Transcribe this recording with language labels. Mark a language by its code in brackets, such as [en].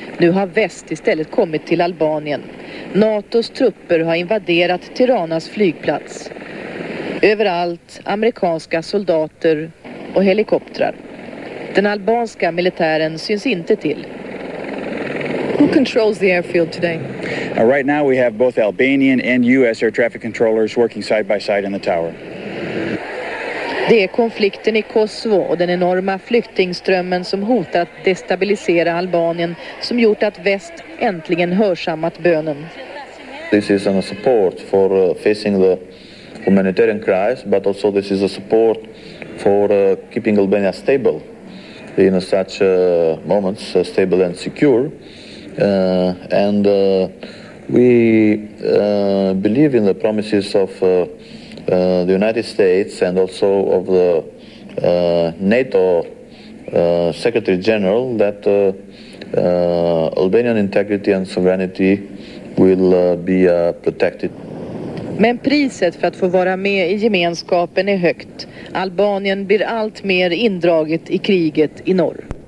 [sv] Nu har väst istället kommit till Albanien. NATOs trupper har invaderat Tiranas flygplats. Överallt amerikanska soldater och helikoptrar. Den albanska militären syns inte till. [en] Who controls the airfield today? Right now we have both Albanian and US air traffic controllers working side by side in the tower. [sv] Det är konflikten i Kosovo och den enorma flyktingströmmen som hotar att destabilisera Albanien som gjort att väst äntligen hörsammat bönen. [en] This is a support for facing the humanitarian crisis, but also this is a support for keeping Albania stable in such moments, stable and secure. And we believe in the promises of the United States and also of the NATO Secretary General that Albanian integrity and sovereignty will be protected. [sv] Men priset för att få vara med i gemenskapen är högt. Albanien blir allt mer indraget i kriget i norr.